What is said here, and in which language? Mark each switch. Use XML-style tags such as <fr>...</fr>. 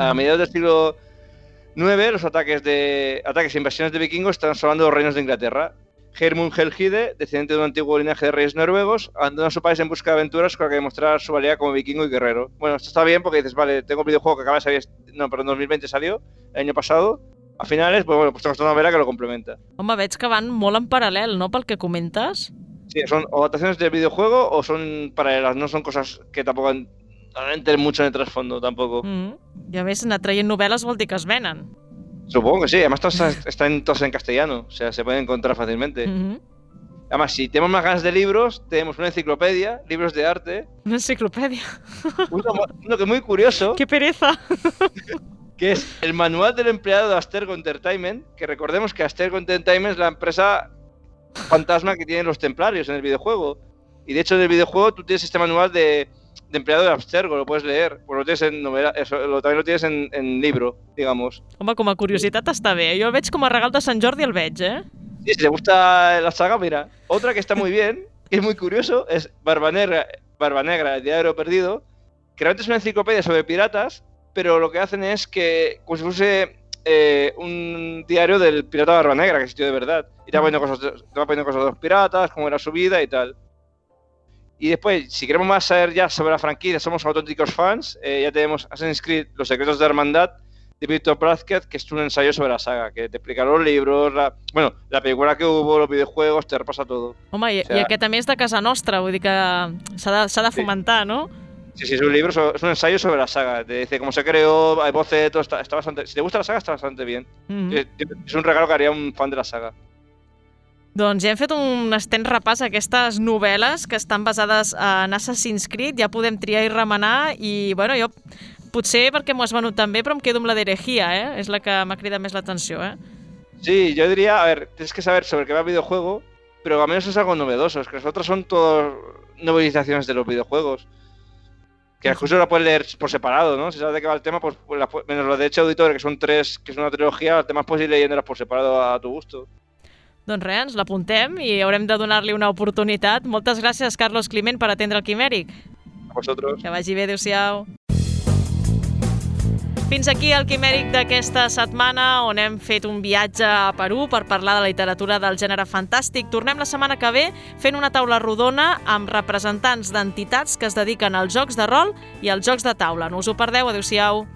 <es>A mediados del siglo IX, los ataques e invasiones de vikingos están salvando los reinos de Inglaterra. Hermund Helgide, descendiente de un antiguo linaje de reyes noruegos, abandona su país en busca de aventuras con la que demostrar su valía como vikingo y guerrero. Bueno, esto está bien porque dices, vale, tengo un videojuego que acaba de salir, no, perdón, 2020 salió, el año pasado. A finales, pues bueno, pues tengo esta novela que lo complementa.</es> <ca>Home, veig que van molt en paral·lel, no?, pel que comentes.</ca> <es>Sí, son o adaptaciones del videojuego o son paralelas, no son cosas que tampoco entren mucho en el trasfondo, tampoco.</es> <ca>I a més, anar traient novel·les vol dir que es venen.</ca> <es>Supongo que sí, además están todas en castellano, o sea, se pueden encontrar fácilmente. Además, si tenemos más ganas de libros, tenemos una enciclopedia, libros de arte. ¿Una enciclopedia? Uno que es muy curioso. ¡Qué pereza! Que es el manual del empleado de Abstergo Entertainment, que recordemos que Abstergo Entertainment es la empresa fantasma que tienen los templarios en el videojuego. Y de hecho en el videojuego tú tienes este manual de empleado de Abstergo, lo puedes leer. Pues lo tienes en novela, también lo tienes en libro, digamos.</es> <ca>Home, com a curiositat està bé. Jo el veig com a regal de Sant Jordi, el veig, eh?</ca> <es>Sí, si te gusta la saga, mira. Otra que está muy bien, que es muy curioso, es Barba Negra, el diario perdido, que realmente es una enciclopedia sobre piratas, pero lo que hacen es que, como si fuese un diario del pirata Barba Negra, que existió de verdad. Y te va poniendo cosas de los piratas, cómo era su vida y tal. Y después, si queremos más saber ya sobre la franquicia, somos auténticos fans, ya tenemos Assassin's Creed, Los secretos de la hermandad, de Víctor Blázquez, que es un ensayo sobre la saga, que te explica los libros, la película que hubo, los videojuegos, te repasa todo.</es> <ca>Home,</ca> <es>o sea, y</es> <ca>aquest també és de casa nostra, vull dir que s'ha de fomentar, sí.</ca> <es>¿No? Sí, es un ensayo sobre la saga. Te dice cómo se creó, hay bocetos, está bastante... Si te gusta la saga, está bastante bien. Mm-hmm. Es un regalo que haría un fan de la saga.</es> <ca>Doncs ja hem fet un extens repàs a aquestes novel·les que estan basades en Assassin's Creed. Ja podem triar i remenar i, bueno, jo potser perquè m'ho has venut també, però em quedo amb la d'Herejía, eh? És la que m'ha cridat més l'atenció, eh?</ca> <es>Sí, yo diría, a ver, tienes que saber sobre qué va el videojuego, pero al menos es algo novedoso. Es que las otras son todas novelizaciones de los videojuegos. Que incluso la puedes leer por separado, ¿no? Si sabes de qué va el tema, pues la, menos la de Che Auditor, que son tres, que es una trilogía, las demás puedes ir leyéndolas por separado a tu gusto.</es> <ca>Doncs res, ens l'apuntem i haurem de donar-li una oportunitat. Moltes gràcies, Carlos Climent, per atendre el Quimèric. A vosaltres. Que vagi bé, adéu-siau. Fins aquí el Quimèric d'aquesta setmana, on hem fet un viatge a Perú per parlar de la literatura del gènere fantàstic. Tornem la setmana que ve fent una taula rodona amb representants d'entitats que es dediquen als jocs de rol i als jocs de taula. No us ho perdeu, adéu-siau.</ca>